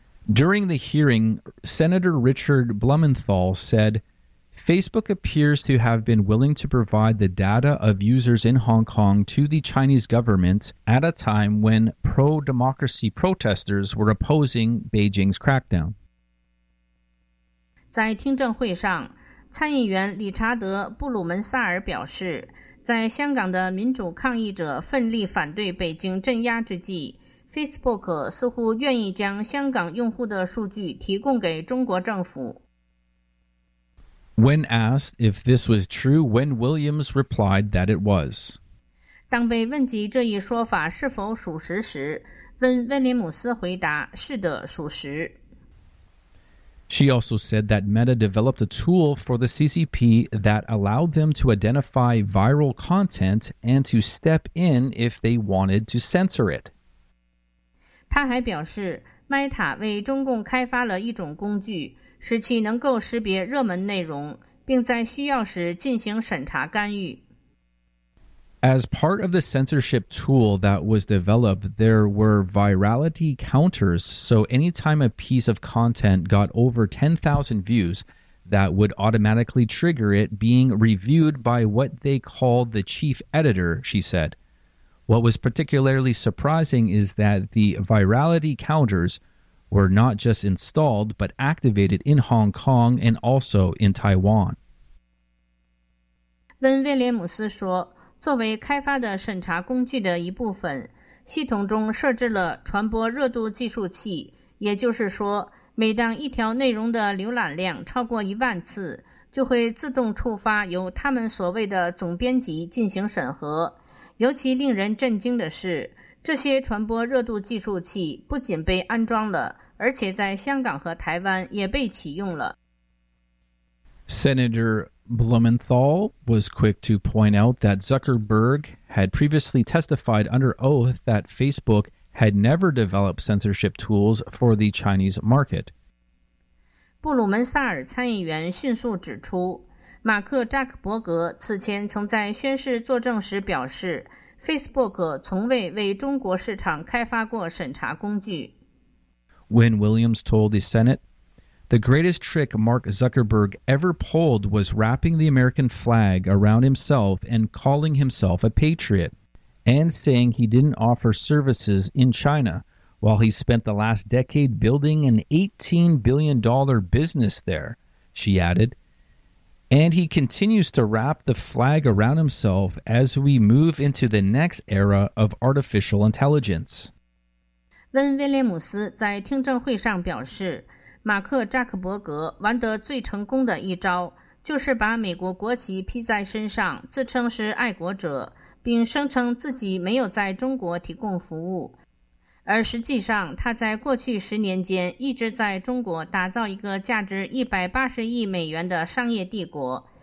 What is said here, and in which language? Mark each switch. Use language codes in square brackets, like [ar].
[en] During the hearing, Senator Richard Blumenthal said, Facebook appears to have been willing to provide the data of users in Hong Kong to the Chinese government at a time when pro-democracy protesters were opposing Beijing's crackdown. [zh] 在听证会上，参议员理查德·布鲁门萨尔表示，在香港的民主抗议者奋力反对北京镇压之际， Facebook 似乎愿意将香港用户的数据提供给中国政府。 [en] When asked if this was true, Wynne Williams replied that it was. [zh] 当被问及这一说法是否属实时，温·威廉姆斯回答，是的，属实。 [en] She also said that Meta developed a tool for the CCP that allowed them to identify viral content and to step in if they wanted to censor it. [zh] 她还表示 ,Meta 为中共开发了一种工具，使其能够识别热门内容，并在需要时进行审查干预。 [en] As part of the censorship tool that was developed, there were virality counters, so anytime a piece of content got over 10,000 views, that would automatically trigger it being reviewed by what they called the chief editor, she said. What was particularly surprising is that the virality counters were not just installed, but activated in Hong Kong and also in Taiwan. [zh] When Williams 说，作为开发的审查工具的一部分，系统中设置了传播热度计数器，也就是说，每当一条内容的浏览量超过10,000次，就会自动触发由他们所谓的总编辑进行审核。尤其令人震惊的是，这些传播热度计数器不仅被安装了，而且在香港和台湾也被启用了。 [en] Senator Blumenthal was quick to point out that Zuckerberg had previously testified under oath that Facebook had never developed censorship tools for the Chinese market. [zh] 布鲁门萨尔参议员迅速指出，马克·扎克伯格此前曾在宣誓作证时表示， Facebook 从未为中国市场开发过审查工具。 [en] When Williams told the Senate,The greatest trick Mark Zuckerberg ever pulled was wrapping the American flag around himself and calling himself a patriot, and saying he didn't offer services in China, while he spent the last decade building an $18 billion business there, she added. And he continues to wrap the flag around himself as we move into the next era of artificial intelligence. [zh] Wynne Williams 在听证会上表示，马克·扎克伯格玩得最成功的一招，就是把美国国旗披在身上，自称是爱国者，并声称自己没有在中国提供服务。而实际上，他在过去10年间一直在中国打造一个价值180亿美元的商业帝国。